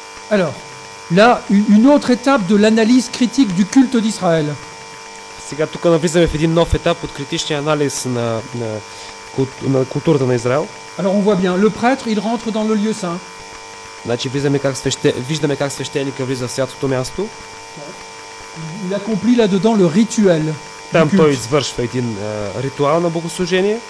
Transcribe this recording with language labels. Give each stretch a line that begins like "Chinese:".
French: Alors, là, une autre étape de l'analyse critique du culte d'Israël.
Bulgarian: Сега тук навлизаме в един нов етап от критичния анализ на културата на Израел.
French: Alors on voit bien, le prêtre, il rentre dans le lieu saint.
Bulgarian: Значи виждаме как свещеника влиза в святото място.
French: Il accomplit là-dedans le rituel.
Bulgarian: Там той извършва един ритуал на богослужение.